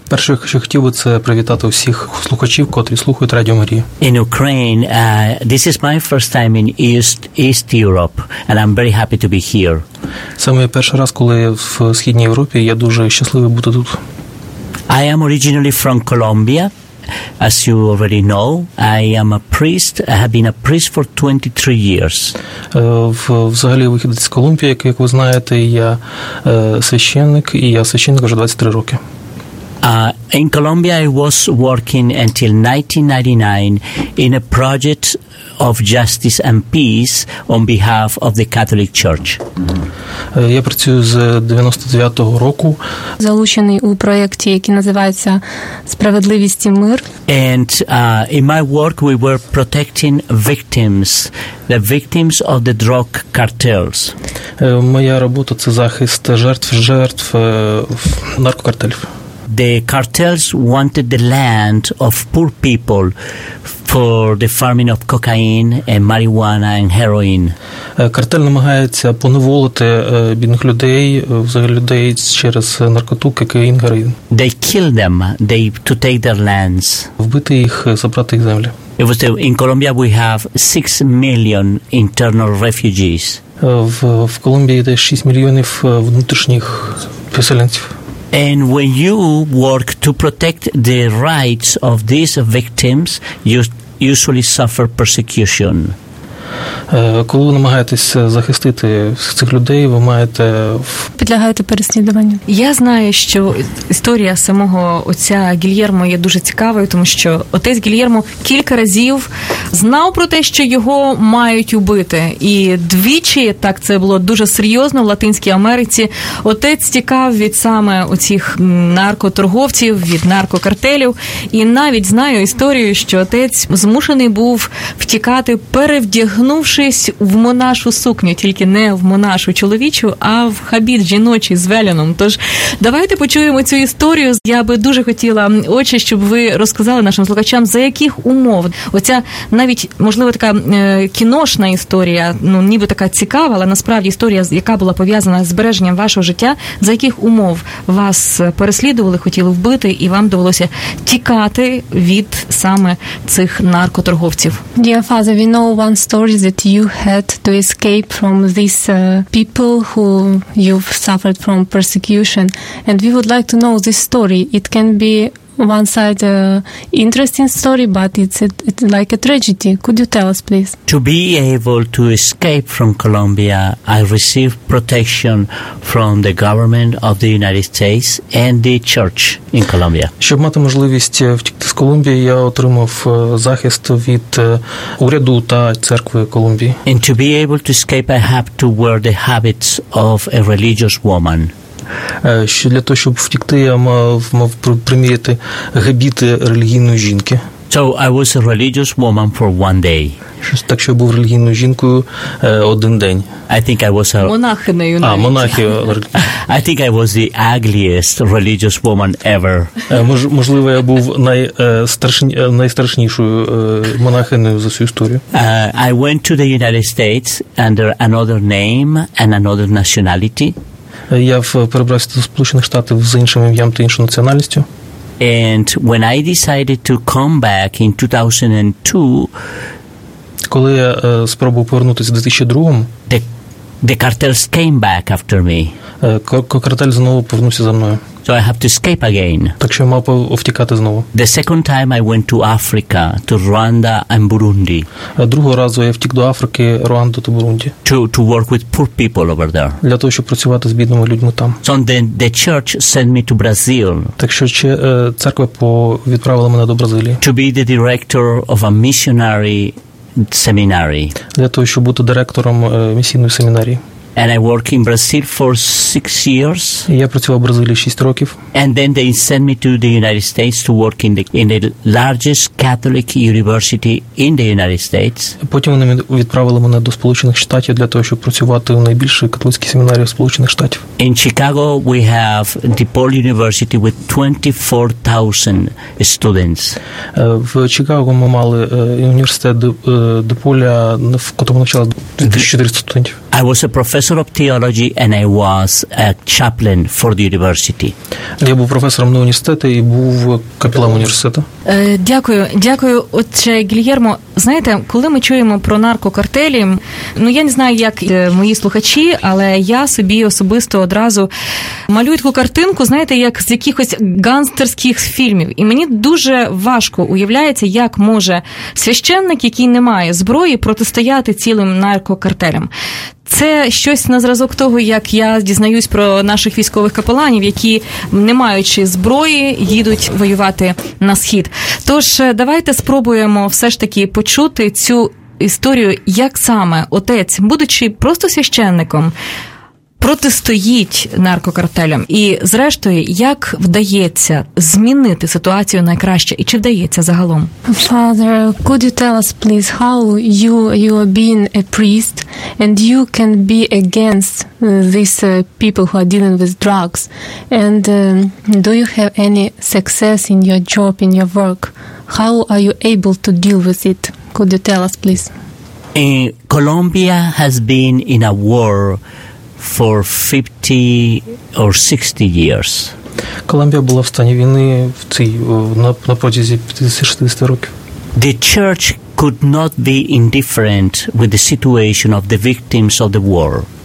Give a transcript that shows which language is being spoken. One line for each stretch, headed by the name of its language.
Ukrainian: Перше, що хотів би, це привітати всіх слухачів, котрі слухають Радіо Марія.
English: In Ukraine, this is my first time in East Europe, and I'm very happy to be here.
Ukrainian: Це мій перший раз, коли в Східній Європі, я дуже щасливий бути тут.
English: I am originally from Colombia. As you already know, I am a priest. I have been a priest for 23 years.
Ukrainian: Взагалі, вихідець з Колумбії, як ви знаєте, я священник, і я священник вже 23 роки.
English: In Colombia, I was working until 1999 in a project of justice and peace on behalf of the Catholic Church.
Ukrainian: Я працюю з 99-го року. Залучений у проєкті, який називається «Справедливість і мир».
English: And in my work, we were protecting victims, the victims of the drug cartels.
Ukrainian: Моя робота – це захист жертв наркокартелів.
English: The cartels wanted the land of poor people for the farming of cocaine and marijuana and heroin.
Ukrainian: Картель намагається поневолити бідних людей, взагалі людей через наркоту, кокаїн, героїн.
English: They killed them, they to take their lands.
Ukrainian: Вбити їх, забрати їх землі.
English: It was in Colombia we have 6 million internal refugees.
Ukrainian: В Колумбії є 6 мільйонів внутрішніх переселенців.
English: And when you work to protect the rights of these victims, you usually suffer persecution.
Ukrainian: Коли ви намагаєтеся захистити цих людей, ви маєте... Підлягаєте переслідуванню. Я знаю, що історія самого отця Гільєрмо є дуже цікавою, тому що отець Гільєрмо кілька разів знав про те, що його мають убити. І двічі, так це було дуже серйозно в Латинській Америці, отець тікав від саме оцих наркоторговців, від наркокартелів. І навіть знаю історію, що отець змушений був втікати, перевдягнувшись в монашу сукню, тільки не в монашу чоловічу, а в хабіт жіночий з веляном. Тож, давайте почуємо цю історію. Я би дуже хотіла, отче, щоб ви розказали нашим слухачам, за яких умов. Оця, навіть, можливо, така кіношна історія, ну, ніби така цікава, але насправді історія, яка була пов'язана з збереженням вашого життя, за яких умов вас переслідували, хотіли вбити, і вам довелося тікати від саме цих наркоторговців.
English: Dear Father, we know one story that you had to escape from these people who you've suffered from persecution. And we would like to know this story. It can be one side interesting story, but it's like a tragedy. Could you tell us, please? To be able to escape from Colombia, I received protection from the government of the United States and the church in Colombia.
Ukrainian: Щоб мати можливість втекти з Колумбії, я отримав захист від уряду та церкви Колумбії.
English: And to be able to escape, I have to wear the habits of a religious woman.
Ukrainian: Що для того, щоб втікти, я мав приміяти гебіти релігійної жінки.
English: So I was a religious woman for one day.
Ukrainian: Так що я був релігійною жінкою один день.
English: I think I was
Ukrainian: монахинею. А, монахиною.
English: I think I was the ugliest religious woman ever.
Ukrainian: Можливо, я був найстрашнішою монахиною за всю історію.
English: I went to the United States under another name and another nationality.
Ukrainian: Я перебрався до Сполучених Штатів з іншим ім'ям та іншою національністю.
English: And when I decided to come back in 2002,
Ukrainian: коли я спробував повернутися в 2002,
English: the cartels came back after me.
Ukrainian: Картель знову повернувся за мною.
English: So I have to escape again.
Ukrainian: Так що я мав втікати знову.
English: The second time I went to Africa, to Rwanda and Burundi.
Ukrainian: Другого разу я втік до Африки, Руанду та Бурунді.
English: To work with poor people over there.
Ukrainian: Для того, щоб працювати з бідними людьми там.
English: So then the church sent me to Brazil.
Ukrainian: Так що церква відправила мене до Бразилії.
English: To be the director of a missionary seminary.
Ukrainian: Для того, щоб бути директором місійної семінарії.
English: And I worked in Brazil for 6 years.
Ukrainian: Я працював в Бразилії 6 років.
English: And then they sent me to the United States to work in the largest Catholic university in the United States.
Ukrainian: Потім вони відправили мене до Сполучених Штатів для того, щоб працювати у найбільшій католицькій семінарії Сполучених Штатів.
English: In Chicago we have DePaul University with 24,000 students.
Ukrainian: В Чикаго ми мали університет DePaul, в котором навчало 2400 студентів.
English: I was a professor of theology and I was a chaplain for the university.
Ukrainian: Я був професором на університеті і був капеланом університету. Дякую. Дякую, отче Гільєрмо. Знаєте, коли ми чуємо про наркокартелі, ну я не знаю, як мої слухачі, але я собі особисто одразу малюю таку картинку, знаєте, як з якихось гангстерських фільмів. І мені дуже важко уявляється, як може священник, який не має зброї, протистояти цілим наркокартелям. Це щось на зразок того, як я дізнаюсь про наших військових капеланів, які, не маючи зброї, їдуть воювати на схід. Тож, давайте спробуємо все ж таки почути цю історію, як саме отець, будучи просто священником, протистоїть наркокартелям. І, зрештою, як вдається змінити ситуацію на краще? І чи вдається загалом?
English: Father, could you tell us, please, how you are being a priest and you can be against these people who are dealing with drugs? And do you have any success in your job, in your work? How are you able to deal with it? Could you tell us, please? Colombia has been in a war for 50 or 60 years.
Ukrainian: Колумбія була в стані війни в цій на протязі 50-60 років.
English: The church could not be indifferent with the situation of the victims of the war.